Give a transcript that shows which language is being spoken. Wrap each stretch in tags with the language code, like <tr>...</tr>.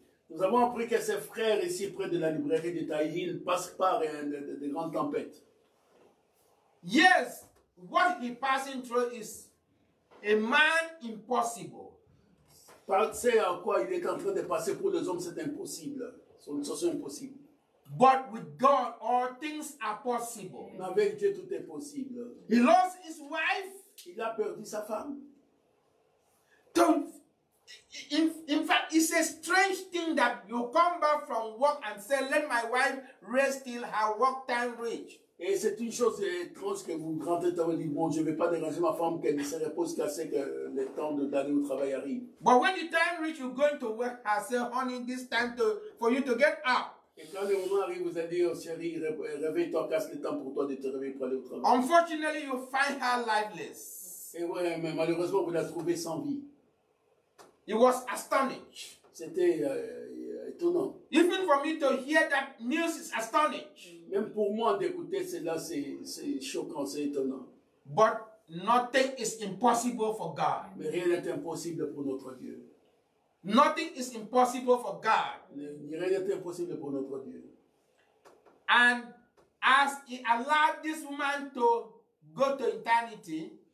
<fr>Nous avons appris que ses frères ici près de la librairie de Tahil passent par de grandes tempêtes.</fr> <en>Yes, what he passing through is. A man impossible.</en> <fr>Passer à quoi il est en train de passer pour les hommes, c'est impossible. C'est une situation impossible.</fr> <en>But with God, all things are possible.</en> <fr>Mais avec Dieu, tout est possible.</fr> <en>He lost his wife.</en> <fr>Il a perdu sa femme.</fr> <en>Donc, in fact, it's a strange thing that you come back from work and say, let my wife rest till her work time reach.</en> <fr>Et c'est une chose étrange que vous rentrez dans le lit. Bon, je ne vais pas déranger ma femme qu'elle ne se repose qu'à ce que le temps d'aller au travail arrive.</fr> <en>But when the time reaches, you're going to work. I say, honey, this time for you to get up.</en> <fr>Et quand le moment arrive, vous allez dire, chérie, réveille-toi, casse le temps pour toi de te réveiller pour aller au travail.</fr> <en>Unfortunately, you find her lifeless.</en> <fr>Et ouais, mais malheureusement, vous la trouvez sans vie.</fr> <en>It was astonished.</en> <fr>C'était étonnant.</fr> <en>Even for me to hear that news is astonished.</en> <fr>Même pour moi d'écouter cela, c'est choquant, c'est étonnant.</fr> <en>But nothing is impossible for God.</en> <fr>Mais rien n'est impossible pour notre Dieu.</fr> <en>Nothing is impossible for God.</en> <fr>Rien n'est impossible pour notre Dieu.</fr> <en>And as he allowed this woman to go to eternity,</en>